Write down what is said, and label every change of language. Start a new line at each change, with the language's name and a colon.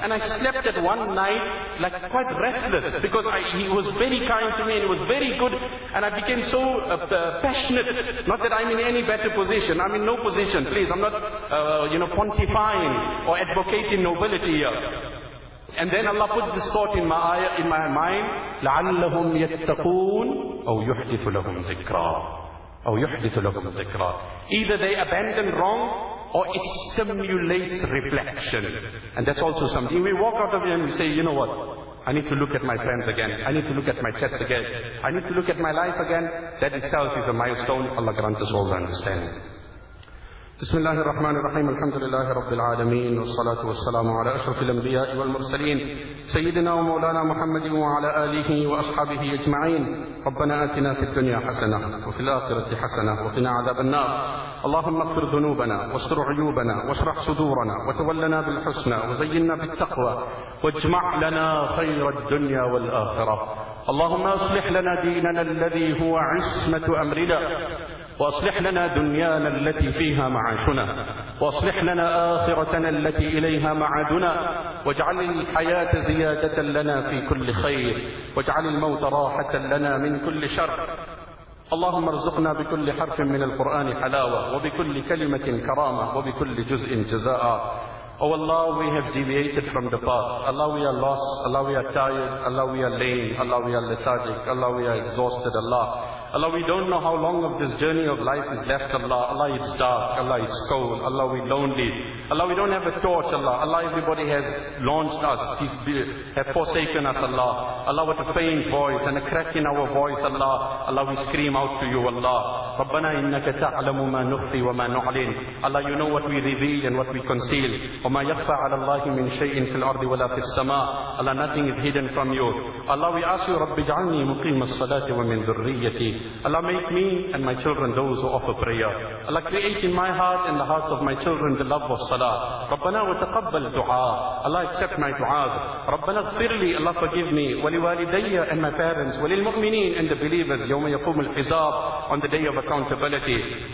English: And I slept that one night, like, quite restless. Because he was very kind to me and he was very good. And I became so passionate. Not that I'm in any better position. I'm in no position. Please, I'm not, quantifying or advocating nobility here. And then Allah put this thought in my mind,
Arabic: لَعَلَّهُمْ يَتَّقُونَ أَوْ يُحْدِثُ لَهُمْ ذِكْرًا أَوْ يُحْدِثُ لَهُمْ ذِكْرًا.
English: Either they abandon wrong, or it stimulates reflection. And that's also something. We walk out of here and we say, you know what? I need to look at my friends again. I need to look at my chats again. I need to look at my life again. That itself is a milestone. Allah grant us all the understanding.
Arabic: بسم الله الرحمن الرحيم الحمد لله رب العالمين والصلاة والسلام على أشرف الأنبياء والمرسلين سيدنا ومولانا محمد وعلى آله وأصحابه أجمعين. ربنا آتنا في الدنيا حسنة وفي الآخرة حسنة وقنا عذاب النار. اللهم اغفر ذنوبنا واستر عيوبنا واشرح صدورنا وتولنا بالحسنى وزينا بالتقوى واجمع لنا خير الدنيا والآخرة. اللهم أصلح لنا ديننا الذي هو عصمة أمرنا وأصلح لنا دنيانا التي فيها معاشنا وأصلح لنا آخرتنا التي إليها معادنا واجعل الحياة زيادة لنا في كل خير واجعل الموت راحة لنا من كل شر. اللهم ارزقنا بكل حرف من القرآن حلاوة وبكل كلمة كرامة وبكل جزء جزاء.
English: Oh Allah, we have deviated from the path. Allah, we are lost. Allah, we are tired. Allah, we are lame. Allah, we are lethargic. Allah, we are exhausted. Allah. Allah, we don't know how long of this journey of life is left. Allah. Allah, it's dark. Allah, it's cold. Allah, we're lonely. Allah, we don't have a torch. Allah. Allah, everybody has launched us. Have forsaken us. Allah. Allah, with a faint voice and a crack in our voice. Allah. Allah, we scream out to you.
Arabic: Allah. رَبَّنَا إِنَّكَ تَعْلَمُ مَا نُخْفِي وَمَا نُعْلِنُ.
English: Allah, you know what we reveal and what we conceal.
Arabic: وَمَا يَخْفَى عَلَى اللَّهِ مِنْ شَيْءٍ فِي الْأَرْضِ وَلَا فِي السَّمَاءِ.
English: Allah, nothing is hidden from you. Allah, we ask you,
Arabic: رَبِّ جَعَلْنِي مُقِيمَ الصَّلَاةِ وَمِنْ ذُرِّيَّتِي.
English: Allah, make me and my children those who offer prayer. Allah, create in my heart and the hearts of my children the love of salah.
Arabic: رَبَّنَا وَتَقَبَّلْ دُعَاء.
English: Allah, accept my dua.
Arabic: رَبَّنَا اغْفِرْ لِي.
English: Allah, forgive me.
Arabic: وَلِوَالِدَيَّ
English: and my parents.
Arabic: وَلِلْمُؤْمِنِينَ
English: and the believers.
Arabic: يَوْمَ يَقُومُ الْحِزَابُ,
English: on the day of accountability.